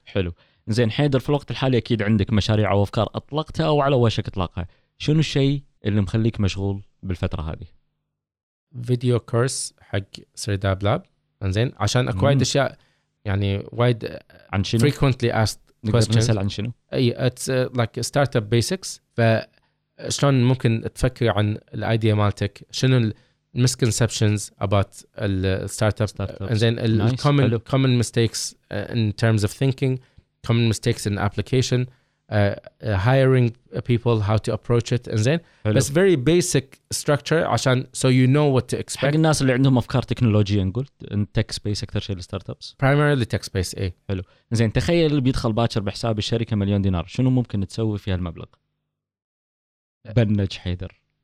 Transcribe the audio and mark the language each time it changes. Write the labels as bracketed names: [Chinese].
[Arabic] حلو زين حيدر, في الوقت الحالي أكيد عندك مشاريع وأفكار أطلقتها أو على وشك إطلاقها, شنو الشيء اللي مخليك مشغول بالفترة هذه؟ فيديو كورس حق سرداب لاب زين, عشان أكوايد أشياء يعني وايد عن شنو؟ [English] frequently asked questions. [Arabic] نسأل عن شنو؟ أي [English] it's like startup basics, [Arabic] فشلون ممكن تفكر عن الأيديا مالتك, شنو [English] misconceptions about startups [Arabic] زين, [English] common mistakes in terms of thinking, common mistakes in application, hiring people, how to approach it, and then that's very basic structure. عشان so you know what to expect. [Arabic] حق الناس اللي عندهم أفكار تكنولوجيا, قلت إن [English] tech space [Arabic] أكثر شيء للستارت أبس. [English] Primarily tech space. إيه. [Arabic] حلو. زين تخيل اللي بيدخل باكر بحساب الشركة مليون دينار, شنو ممكن تسوي في هالمبلغ؟ بنج حيدر.